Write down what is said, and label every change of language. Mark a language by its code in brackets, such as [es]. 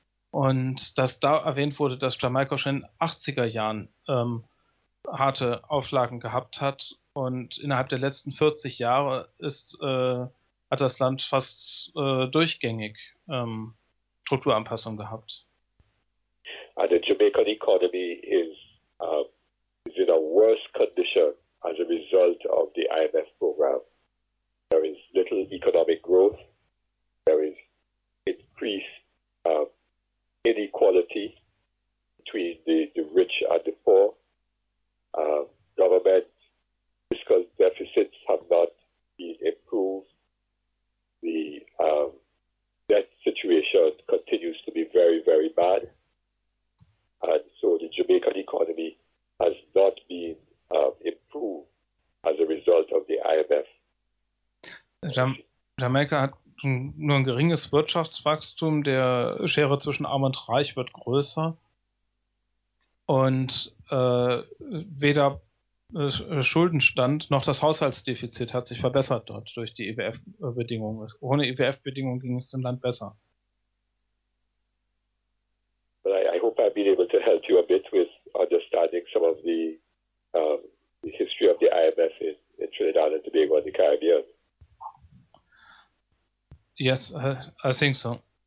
[de] Und dass da erwähnt wurde, dass Jamaika schon in den 80er Jahren harte Auflagen gehabt hat. Und innerhalb der letzten 40 Jahre hat das Land fast durchgängig Strukturanpassung gehabt. [en] The Jamaican economy is in a worse condition as a result of the IMF program. There is little economic growth. There is increased inequality between the rich and the poor. Government fiscal deficits have not been improved. The debt situation continues to be very, very bad. And so the Jamaican economy has not been improved as a result of the IMF. [de] Jamaika hat nur ein geringes Wirtschaftswachstum. Der Schere zwischen Arm und Reich wird größer. Und weder Schuldenstand noch das Haushaltsdefizit hat sich verbessert dort durch die IWF-Bedingungen. Ohne IWF-Bedingungen ging es dem Land besser. [en] Well, I hope I've been able to help you a bit with understanding some of the history of the IMF in Trinidad and Tobago and the Caribbean. Yes, I think so.